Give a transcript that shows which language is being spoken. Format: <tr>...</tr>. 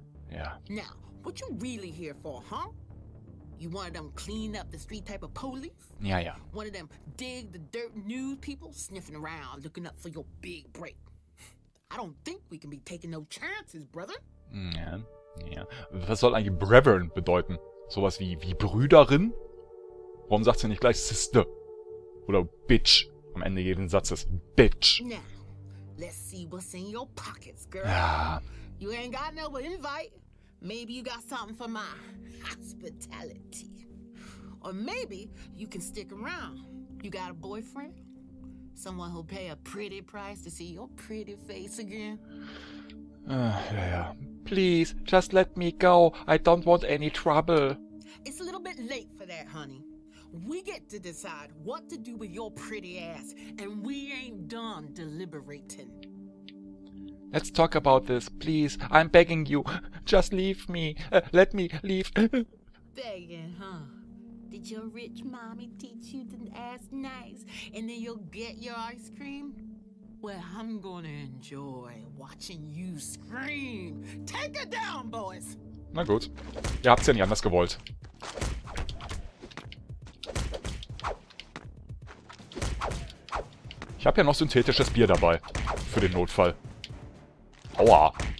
<en>Yeah. Now, what you really here for, huh? You one of them clean up the street type of police? Yeah, yeah. One of them dig the dirt news people sniffing around looking up for your big break? I don't think we can be taking no chances, brother. Yeah, yeah.</en> <de>Was soll eigentlich Brethren bedeuten? Sowas wie Brüderin? Warum sagt sie nicht gleich Sister? Oder Bitch am Ende jeden Satzes?</de> <en>Bitch. Now, let's see what's in your pockets, girl.</en> <de>Ja.</de> <en>You ain't got no invite. Maybe you got something for my hospitality. Or maybe you can stick around. You got a boyfriend? Someone who'll pay a pretty price to see your pretty face again?</en> <de>Ja, ja.</de> <en>Please, just let me go. I don't want any trouble. It's a little bit late for that, honey. We get to decide what to do with your pretty ass, and we ain't done deliberating. Let's talk about this, please. I'm begging you. Just leave me. Let me leave. Begging, huh? Did your rich mommy teach you to ask nice, and then you'll get your ice cream? Well, I'm gonna enjoy watching you scream. Take it down, boys!</en> <de>Na gut. Ihr habt's ja nicht anders gewollt. Ich hab ja noch synthetisches Bier dabei. Für den Notfall. Aua.</de>